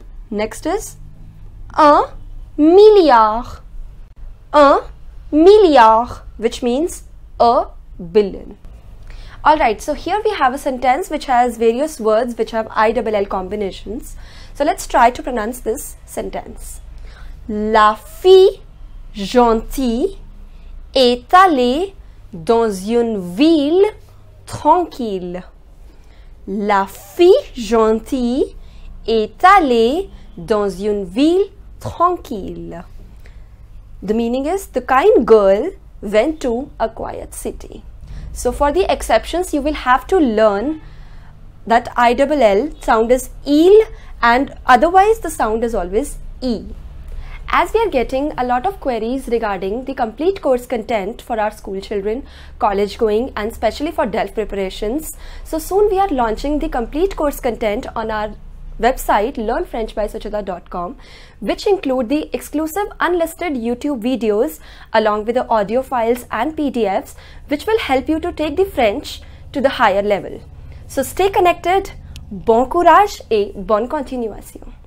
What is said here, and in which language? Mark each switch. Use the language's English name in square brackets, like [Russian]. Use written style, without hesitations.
[English] Next is [French] un milliard, [English] which means a billion. Alright, so here we have a sentence which has various words which have ILL combinations. So let's try to pronounce this sentence. [French] La fille gentille est allée dans une ville tranquille. La fille gentille est allée dans une ville tranquille. [English] The meaning is the kind girl went to a quiet city. So for the exceptions, you will have to learn that ILL sound is ill and otherwise the sound is always E. As we are getting a lot of queries regarding the complete course content for our school children, college going, and especially for DELF preparations, so soon we are launching the complete course content on our website learnfrenchbysuchita.com, which include the exclusive unlisted YouTube videos along with the audio files and PDFs, which will help you to take the French to the higher level. So stay connected, [French] bon courage et bonne continuation.